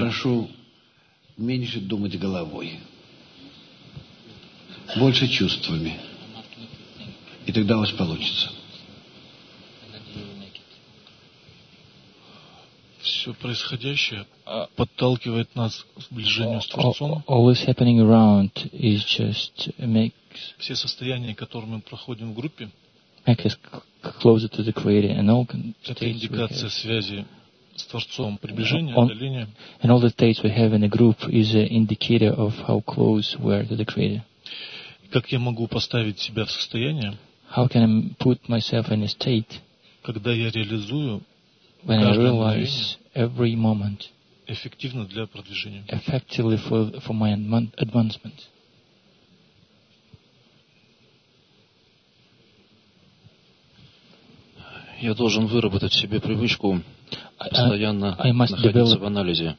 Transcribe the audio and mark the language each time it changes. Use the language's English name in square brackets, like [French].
[Russian] Я вас прошу меньше думать головой, больше чувствами, и тогда у вас получится. Все происходящее подталкивает нас к сближению с Творцом. [English] All is happening around is just makes. [Russian] Все состояния, которые мы проходим в группе. [English] Make us closer to the Creator and all [Russian] indicators связи с Творцом, приближение, отдаление. [English] And all the states we have in a group is an indicator of how close we are to the Creator. [Russian] Как я могу поставить себя в состояние? [English] How can I put myself in a state? [Russian] Когда я реализую [English] when I realize every moment [Russian] эффективно для продвижения. [English] Effectively for my advancement. [Russian] Я должен выработать себе привычку постоянно находиться в анализе.